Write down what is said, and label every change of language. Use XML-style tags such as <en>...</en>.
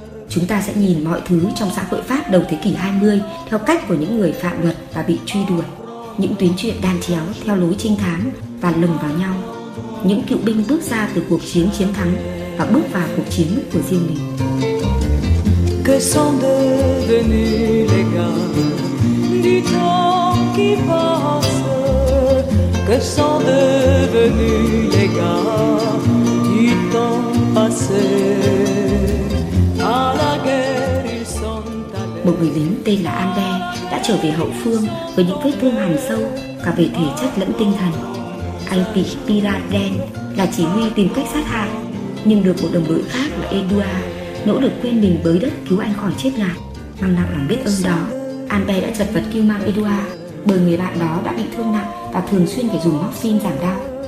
<vi>Chúng ta sẽ nhìn mọi thứ trong xã hội Pháp đầu thế kỷ 20 theo cách của những người phạm luật và bị truy đuổi. Những tuyến chuyện đan chéo theo lối trinh thám và lồng vào nhau. Những cựu binh bước ra từ cuộc chiến chiến thắng và bước vào cuộc chiến của riêng mình.</vi> <fr>Que sont devenus les gars du temps qui passe? Que sont devenus les gars du temps passé? À la guerre ils sont allés.</fr> <vi>Một người lính tên là Albert đã trở về hậu phương với những vết thương hằn sâu cả về thể chất lẫn tinh thần. Anh bị pirat đen là chỉ huy tìm cách sát hại, nhưng được một đồng đội khác là Edouard nỗ lực quên mình bới đất cứu anh khỏi chết ngạt. Mang nặng lòng biết ơn đó, Albert đã chật vật kêu mang Edouard, bởi người bạn đó đã bị thương nặng và thường xuyên phải dùng morphine giảm đau.</vi>